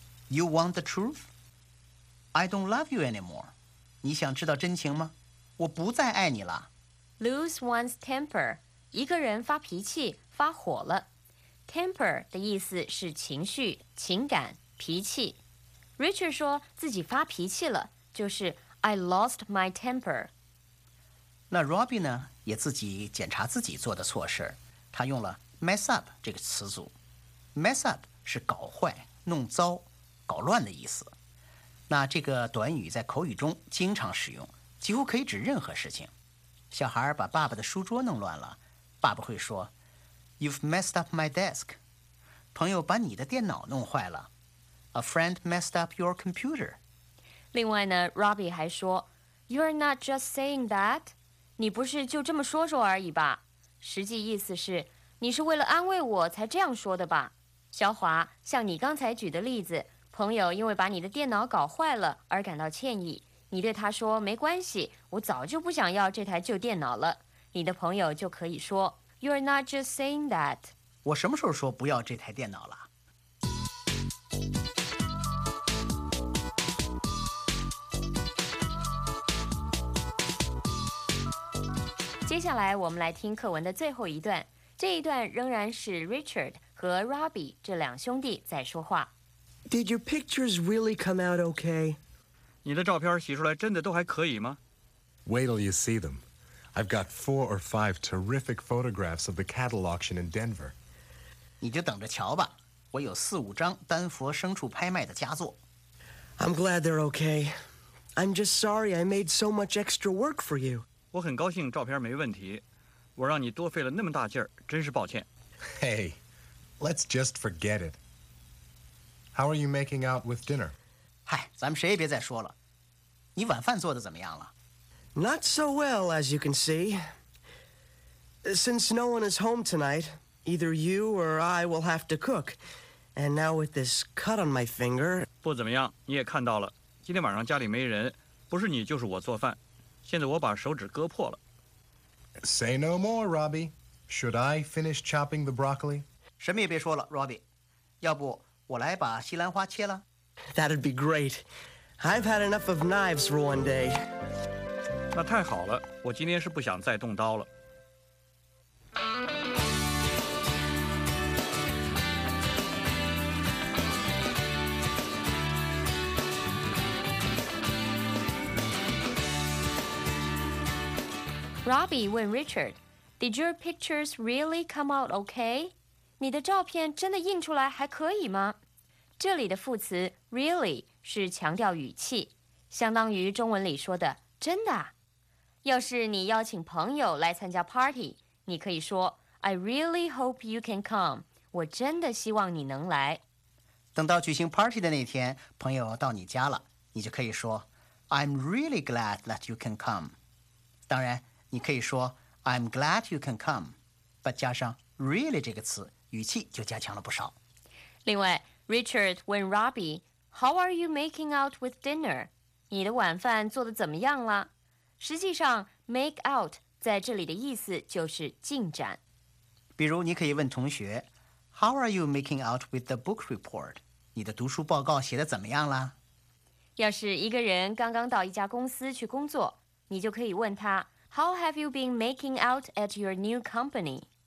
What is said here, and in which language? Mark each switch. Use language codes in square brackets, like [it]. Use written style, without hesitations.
[en] You want the truth? I don't love you anymore. [zh] 你想知道真情吗？我不再爱你了。 [en] Lose one's temper. [zh] 一个人发脾气，发火了。 Temper 的意思是情绪、情感、脾气。 Richard 说自己发脾气了，就是 [en] I lost my temper. [zh] 那 Robbie 呢，也自己检查自己做的错事，他用了 mess up 这个词组。 Mess up 是搞坏、弄糟、搞乱的意思。那这个短语在口语中经常使用，几乎可以指任何事情。小孩把爸爸的书桌弄乱了，爸爸会说 [en] You've messed up my desk. [zh] 朋友把你的电脑弄坏了。 [en] A friend messed up your computer. [zh] 另外呢， [en] Robbie 还说 You're not just saying that. [zh] 你不是就这么说说而已吧？实际意思是你是为了安慰我才这样说的吧？小华，像你刚才举的例子，朋友因为把你的电脑搞坏了而感到歉意，你对他说没关系，我早就不想要这台旧电脑了，你的朋友就可以说 [en] You're not just saying that. [zh] 我什么时候说不要这台电脑了？接下来我们来听课文的最后一段，这一段仍然是 Richard 和 Robbie 这两兄弟在说话。 [en] Did your pictures really come out okay? [zh] 你的照片洗出来真的都还可以吗？ [en] Wait till you see them. I've got 4 or 5 terrific photographs of the cattle auction in Denver. [zh] 你就等着瞧吧，我有4-5张丹佛牲畜拍卖的佳作。 [en] I'm glad they're okay. I'm just sorry I made so much extra work for you. [zh] 我很高兴照片没问题，我让你多费了那么大劲儿，真是抱歉。 [en] Hey, let's just forget it. How are you making out with dinner? [zh] 嗨，咱们谁也别再说了。你晚饭做得怎么样了？ [en] Not so well, as you can see. Since no one is home tonight, either you or I will have to cook. And now with this cut on my finger... [zh] 不怎么样，你也看到了。今天晚上家里没人，不是你就是我做饭。现在我把手指割破了。 [en] Say no more, Robbie. Should I finish chopping the broccoli? [zh] 什么也别说了，Robbie。要不我来把西兰花切了。 [en] That'd be great. I've had enough of knives for one day. [zh] 那太好了，我今天是不想再动刀了。 [en] Robbie 问 Richard, Did your pictures really come out okay? [zh] 你的照片真的印出来还可以吗？这里的副词 really 是强调语气，相当于中文里说的真的。要是你邀请朋友来参加 party， 你可以说 [en] I really hope you can come， [zh] 我真的希望你能来。等到举行 party 的那天，朋友到你家了，你就可以说 [en] I'm really glad that you can come。 [zh] 当然，你可以说 [en] I'm glad you can come， [zh] but 加上 really 这个词，语气就加强了不少。另外， [en] Richard 问 Robbie, How are you making out with dinner? [zh] 你的晚饭做得怎么样了？实际上 make out 在这里的意思就是进展。比如你可以问同学 [en] How are you making out with the book report? [zh] 你的读书报告写得怎么样了？要是一个人刚刚到一家公司去工作，你就可以问他 [en] How have you been making out at your new company?